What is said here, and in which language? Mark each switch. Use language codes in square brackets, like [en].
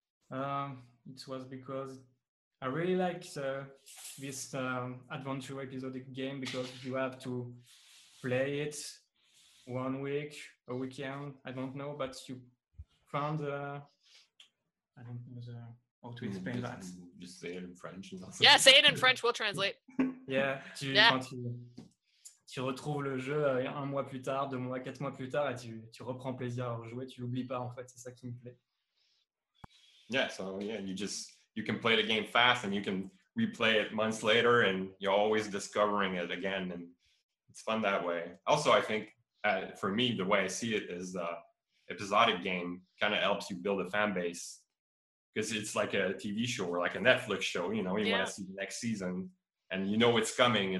[en] It was because I really like this adventure episodic game because you have to play it 1 week, a weekend, I don't know, but you found I don't know how to explain that. Just say it in French. Yeah, say it in French, we'll translate. [fr] Yeah, tu retrouves le jeu un mois plus tard, deux mois, quatre mois plus tard, et tu reprends plaisir à rejouer, tu l'oublies pas en fait, c'est ça qui me plaît. [en] Yeah, so yeah, you can play the game fast and you can replay it months later and you're always discovering it again and it's fun that way. Also, I think for me, the way I see it is the episodic game kind of helps you build a fan base because it's like a TV show or like a Netflix show, you know, you want to see the next season and you know it's coming.